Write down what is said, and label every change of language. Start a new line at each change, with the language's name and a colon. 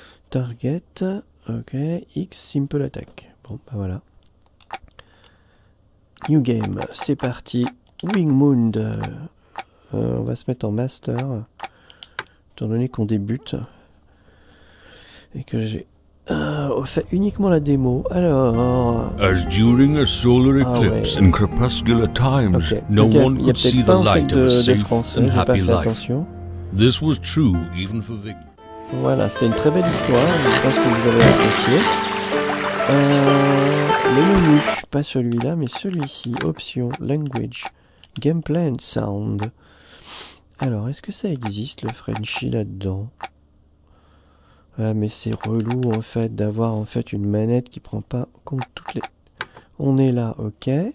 English: Target, ok, X, simple attack,
French: bon bah voilà.
English: New game,
French: c'est parti. Wing Mound. On va se mettre en master. Étant donné qu'on débute. Et que j'ai fait uniquement la démo. Alors.
English: As during a solar eclipse in crepuscular times,
French: okay.
English: No one could see the light of a safe and happy life. This was true even for Vic.
French: Voilà, c'était une très belle histoire. Je pense que vous avez apprécié. Le menu, pas celui-là, mais celui-ci,
English: option, language, gameplay and sound.
French: Alors, est-ce que ça existe, le Frenchie, là-dedans? Ouais, mais c'est relou, en fait, d'avoir, en fait, une manette qui prend pas compte toutes les... On est là, ok.